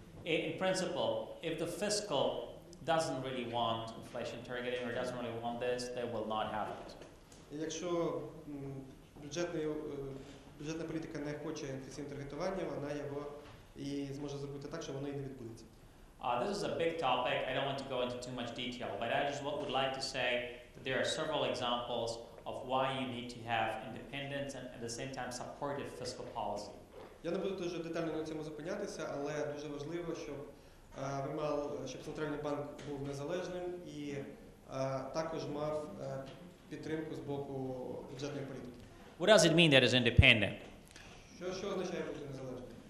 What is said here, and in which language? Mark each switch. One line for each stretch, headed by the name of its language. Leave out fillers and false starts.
English: In principle, if the fiscal doesn't really want inflation targeting or doesn't really want this, they will not have it.
Ukrainian: Якщо бюджетна політика не хоче інфляційного таргетування, вона його і зможе зробити так, що воно і не відбудеться.
English: This is a big topic. I don't want to go into too much detail, but I just would like to say that there are several examples of why you need to have independence and at the same time supportive fiscal policy.
Ukrainian: Я не буду дуже детально на цьому зупинятися, але дуже важливо, щоб центральний банк був незалежним і також мав підтримку з боку бюджетної політики.
English: What does it mean that is independent?
Ukrainian: Що означає бути незалежним?